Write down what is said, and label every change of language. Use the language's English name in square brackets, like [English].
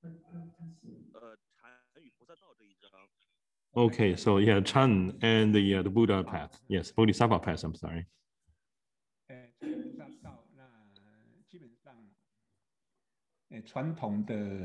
[Chinese] 谢谢。禅与菩萨道这一章。 [English] Okay, so yeah, Chan and the Buddha path. Yes, Bodhisattva path, I'm sorry. [Chinese] 禅与菩萨道,那基本上, 传统的,